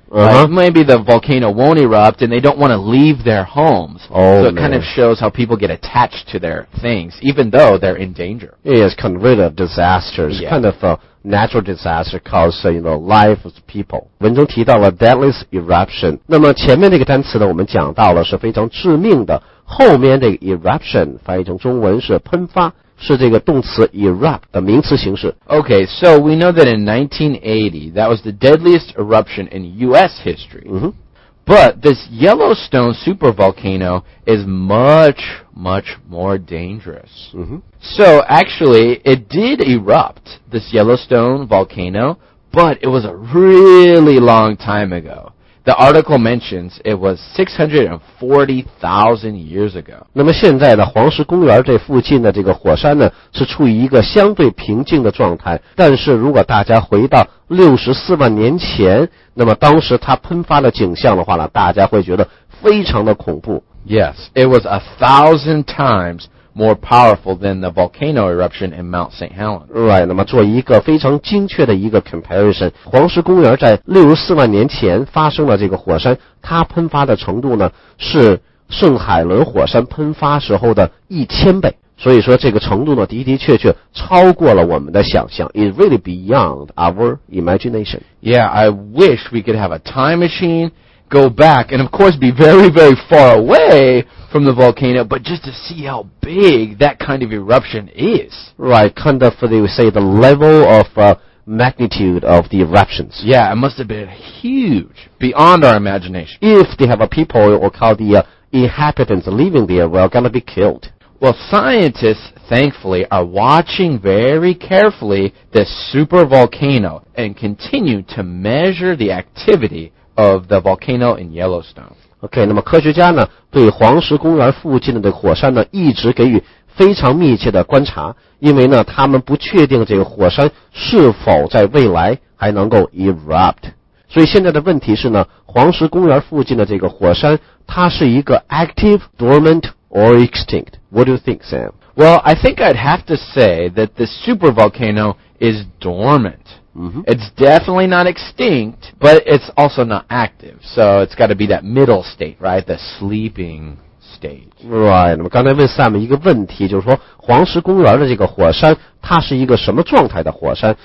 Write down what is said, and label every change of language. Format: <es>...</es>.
<en>Uh-huh. Right? Maybe the volcano won't erupt and they don't want to leave their homes. Oh, so it kind of shows how people get attached to their things, even though they're in danger. Yeah, it's kind of rid of disasters. Yeah. Kind of a natural disaster causes, you know, life of people.</en> <zh>文中提到了 deadliest eruption. 那么前面那个单词呢，我们讲到了是非常致命的。后面的 eruption 翻译成中文是喷发，是这个动词 erupt 的名词形式。</zh> <en>Okay, so we know that in 1980, that was the deadliest eruption in U.S. history. Mm-hmm. But this Yellowstone supervolcano is much, much more dangerous. Mm-hmm. So actually, it did erupt, this Yellowstone volcano, but it was a really long time ago. The article mentions it was 640,000 years ago.</en> <zh>那么现在的黄石公园这附近的这个火山呢，是处于一个相对平静的状态。但是如果大家回到64万年前，那么当时它喷发的景象的话呢，大家会觉得非常的恐怖。</zh> <en>Yes, it was 1,000 times more powerful than the volcano eruption in Mount St. Helens.</en> <zh>Right, 那么做一个非常精确的一个 comparison, 黄石公园在64万年前发生了这个火山，它喷发的程度呢是圣海伦火山喷发时候的1000倍。所以说这个程度呢的的确确超过了我们的想象。</zh> <en>It really beyond our imagination. Yeah, I wish we could have a time machine, go back, and of course be very, very far away from the volcano, but just to see how big that kind of eruption is. Right, kind of, they would say, the level of magnitude of the eruptions. Yeah, it must have been huge, beyond our imagination. If they have a people or call the inhabitants living there, we're going to be killed. Well, scientists, thankfully, are watching very carefully this super volcano and continue to measure the activity of the volcano in Yellowstone.</en> <zh>Okay, 那么科学家呢，对黄石公园附近的火山呢，一直给予非常密切的观察，因为呢，他们不确定这个火山是否在未来还能够 erupt。所以现在的问题是呢，黄石公园附近的这个火山，它是一个</zh> <en>active, dormant,or extinct. What do you think, Sam? Well, I think I'd have to say that the supervolcano is dormant. Mm-hmm. It's definitely not extinct, but it's also not active. So it's got to be that middle state, right? The sleeping state.</en> <zh>Right. 那么刚才问 Sam 一个问题，就是说黄石公园的这个火山，它是一个什么状态的火山？</zh>